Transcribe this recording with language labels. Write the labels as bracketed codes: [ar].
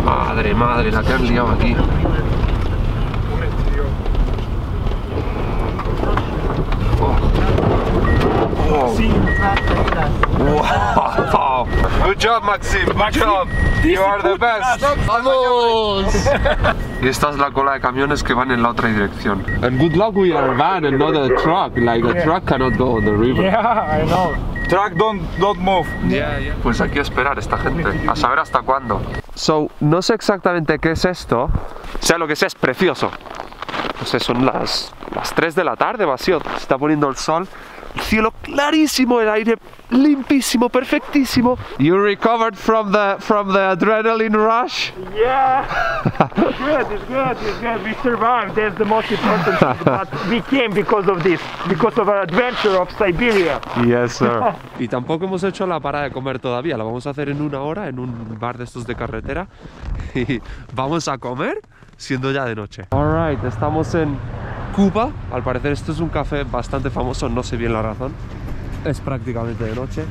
[es] Madre, madre, la que han liado aquí. Wow. [en] Good job, [es] Maxim. [en] You are the best. [es] Vamos. Y esta es la cola de camiones que van en la otra dirección. [en] And good luck with your van and not a truck. Like a truck cannot go on the river. Yeah, I know. Track don't move. [es] Yeah. Pues hay que esperar esta gente. A saber hasta cuándo. So, no sé exactamente qué es esto. Sea lo que sea, es precioso. No sé, son las 3 de la tarde, vacío. Se está poniendo el sol. Cielo clarísimo, el aire limpísimo, perfectísimo. [en] You recovered from the adrenaline rush? Yeah. It's good. We survived. That's the most important thing. But we came because of this, because of our adventure of Siberia. Yes, sir. [es] Y tampoco hemos hecho la parada de comer todavía. La vamos a hacer en una hora en un bar de estos de carretera. Y vamos a comer siendo ya de noche. [en] All right, [es] estamos en Cuba. Al parecer esto es un café bastante famoso, no sé bien la razón. Es prácticamente de noche.